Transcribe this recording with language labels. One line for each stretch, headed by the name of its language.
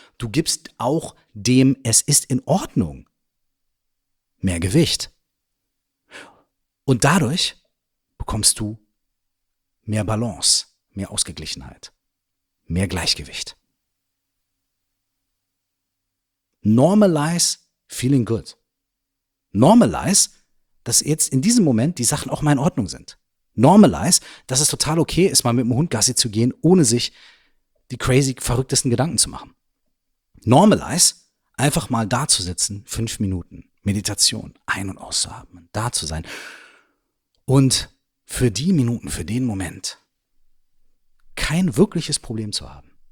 German: Du gibst auch dem, es ist in Ordnung, mehr Gewicht. Und dadurch bekommst du mehr Balance, mehr Ausgeglichenheit, mehr Gleichgewicht.
English: Normalize feeling good.
German: Normalize, dass jetzt in diesem Moment die Sachen auch mal in Ordnung sind. Normalize, dass es total okay ist, mal mit dem Hund Gassi zu gehen, ohne sich die crazy verrücktesten Gedanken zu machen. Normalize, einfach mal da zu sitzen, 5 Minuten. Meditation, ein- und auszuatmen, da zu sein und für die Minuten, für den Moment kein wirkliches Problem zu haben.